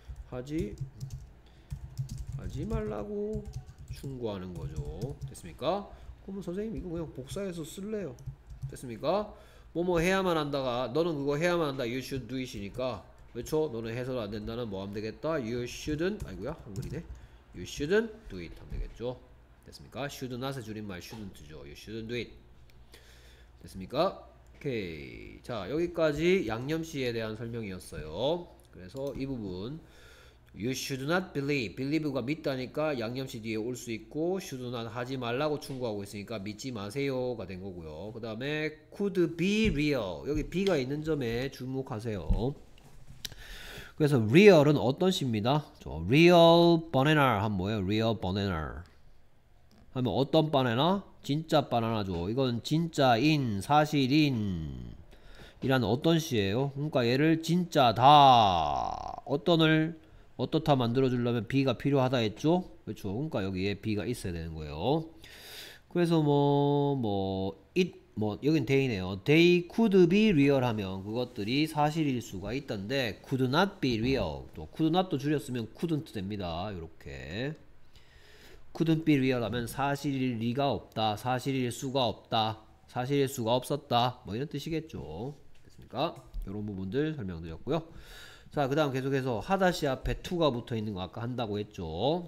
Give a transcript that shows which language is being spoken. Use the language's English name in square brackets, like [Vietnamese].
[Korean] 하지 말라고 충고하는 거죠. 됐습니까? 그러면 선생님, 이거 그냥 복사해서 쓸래요. 됐습니까? 뭐뭐 해야만 한다가, 너는 그거 해야만 한다. [English] You should do it [Korean] 이니까. 그쵸? 너는 해서는 안 된다는 뭐 하면 되겠다. [English] You shouldn't, [Korean] 아이고야, 한글이네. [English] You shouldn't do it [Korean] 하면 되겠죠. 됐습니까? should not의 줄임말 shouldn't죠. [English] you shouldn't do it. [Korean] 됐습니까? 오케이. 자, 여기까지 양념씨에 대한 설명이었어요. 그래서 이 부분 [English] you should not believe. [Korean] believe가 믿다니까 양념씨 뒤에 올수 있고 should not 하지 말라고 충고하고 있으니까 믿지 마세요가 된 거고요. 그 다음에 [English] could be real. [Korean] 여기 be가 있는 점에 주목하세요. 그래서 real은 어떤 씨입니다. real banana 한 뭐예요? real banana 하면 어떤 바나나? 진짜 바나나죠. 이건 진짜인, 사실인 이란 어떤 시예요? 그러니까 얘를 진짜다 어떤을 어떻다 만들어주려면 be가 필요하다 했죠? 그렇죠. 그러니까 여기에 be가 있어야 되는 거예요. 그래서 뭐뭐 뭐, it 뭐 여긴 they네요. [English] they could be real [Korean] 하면 그것들이 사실일 수가 있던데 [English] could not be real. [Korean] 또 could not도 줄였으면 couldn't 됩니다. 이렇게. [English] couldn't be real [Korean] 하면 사실일 리가 없다. 사실일 수가 없다. 사실일 수가 없었다. 뭐 이런 뜻이겠죠. 됐습니까? 요런 부분들 설명드렸고요. 자, 그 다음 계속해서 하다시 앞에 to가 붙어 있는 거 아까 한다고 했죠.